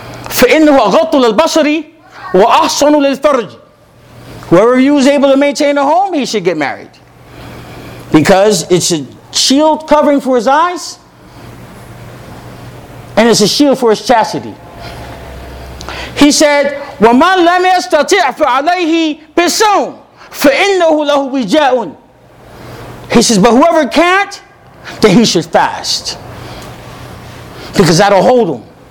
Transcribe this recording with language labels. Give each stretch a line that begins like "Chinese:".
Arabic: Fa innahu aghattu lil-basari wa ahsanu lil-farj."
English: Whoever you is able to maintain a home, he should get married, because it's a shield covering for his eyes and it's a shield for his chastity. He said,
Arabic: وَمَنْ لَمْ يَسْتَطِعْ فَعَلَيْهِ بِسَوْمٍ فَإِنَّهُ لَهُ وِجَاءٌ.
English: He says, but whoever can't, then he should fast, because that'll hold him.